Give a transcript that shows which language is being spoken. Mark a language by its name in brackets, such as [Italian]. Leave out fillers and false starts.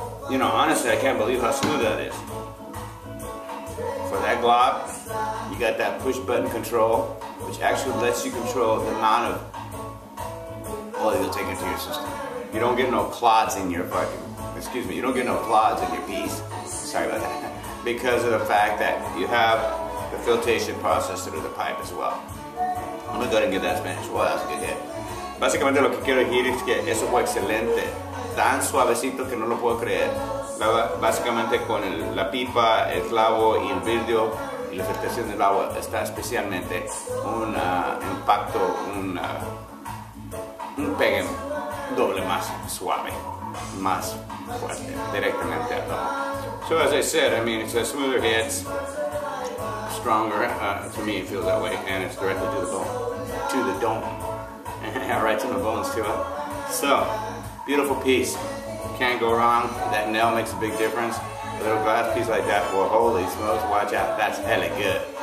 [English] You know, honestly, I can't believe how smooth that is. For that glob, you got that push button control, which actually lets you control the amount of oil you'll take into your system. You don't get no clods in your piece. Sorry about that. Because of the fact that you have the filtration process through the pipe as well. I'm gonna go ahead and get that Spanish. Well, that's a good hit. [Spanish] Básicamente lo que quiero decir es que eso fue excelente. Tan suavecito que no lo puedo creer. Básicamente con la pipa, el clavo y el vidrio y la filtración del agua está especialmente un impacto, un pegue doble más suave, más fuerte, directamente al agua. [English] So as I said, I mean, it's a smoother hit, stronger, to me it feels that way, and it's directly to the bone, right to the bones too. So, beautiful piece. Can't go wrong. That nail makes a big difference. little glass piece like that. Well, holy smokes, watch out. That's hella good.